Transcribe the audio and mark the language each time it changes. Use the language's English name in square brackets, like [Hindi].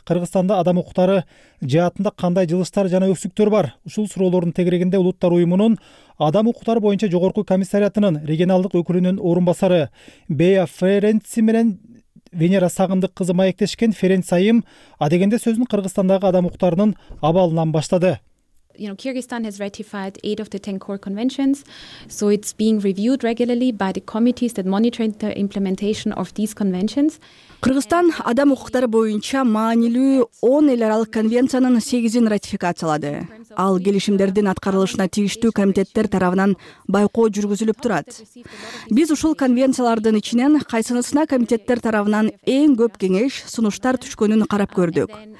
[Kyrgyz] Кыргызстанда адам укуктары жаатында кандай жылыштар жана өксүктөр бар? Ушул суроолордун тегерегинде Улуттар Уюмунун адам укуктары боюнча жогорку комиссариатынын регионалдык өкүлүнүн орун басары Бея Ференци менен Венера Сагындык кызы маектешкен. Ференц айым адегенде сөзүн Кыргызстандагы адам укуктарынын абалынан баштады. [English] You know, Kyrgyzstan has ratified 8 of the 10 core conventions, so it's being reviewed regularly by the committees that monitor the implementation of these conventions. [Kyrgyz] Кыргызстан адам укуктары боюнча маанилүү 10 эл аралык конвенциянын 8-ин ратификациялады. Ал келишимдердин аткарылышына тийиштүү комитеттер тарабынан байкоо жүргүзүлүп турат. Биз ушул конвенциялардын ичинен кайсынысына комитеттер тарабынан эң көп кеңеш, сунуштар түшкөнүн карап көрдүк.